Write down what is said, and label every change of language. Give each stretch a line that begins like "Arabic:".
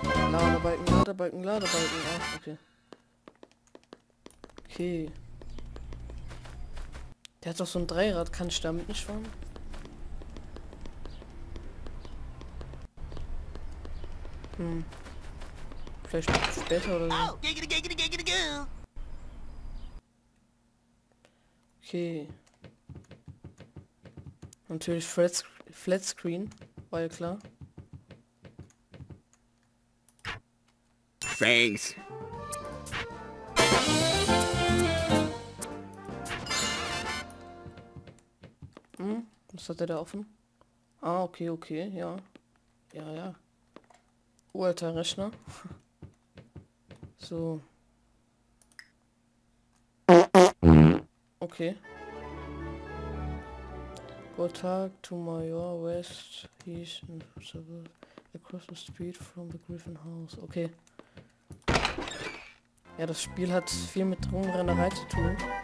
German: Ladebalken, Ladebalken, Ladebalken. Ah, okay. Okay. Der hat doch so ein Dreirad, kann ich damit nicht fahren? Hm. Vielleicht später oder so. Oh, giggity, giggity, giggity, giggity. Okay. Natürlich Flat Screen, war ja klar.
English: Thanks.
German: Hm, was hat er da offen? Ah, okay, okay, ja. Ja, ja. Alter Rechner. So. Okay.
English: Good talk to Major West, he's in across the street from the Griffin House.
German: Okay. Ja, das Spiel hat viel mit Rumrennerei zu tun.